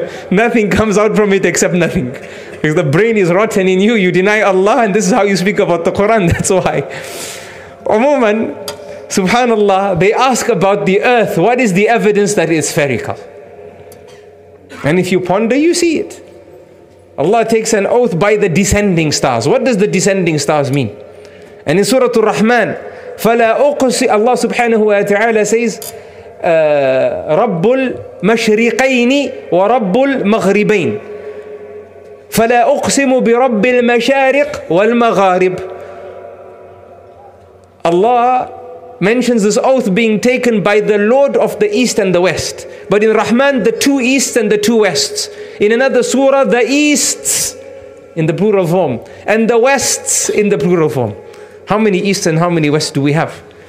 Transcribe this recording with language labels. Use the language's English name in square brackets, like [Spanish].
[English] Nothing comes out from it except nothing. Because the brain is rotten in you, you deny Allah, and this is how you speak about the Quran, that's why. Umuman, subhanAllah, they ask about the earth, what is the evidence that it's spherical? And if you ponder, you see it. Allah takes an oath by the descending stars. What does the descending stars mean? And in Surah Ar-Rahman, فَلَا أُقْسِ, Allah subhanahu wa ta'ala says, [Arabic] رَبُّ الْمَشْرِقَيْنِ وَرَبُّ الْمَغْرِبَيْنِ فَلَا أُقْسِمُ بِرَبِّ الْمَشَارِقِ وَالْمَغَارِبِ. [English] Allah mentions this oath being taken by the Lord of the East and the West. But in Rahman, the two Easts and the two Wests. In another surah, the Easts in the plural form. And the Wests in the plural form. How many Easts and how many Wests do we have?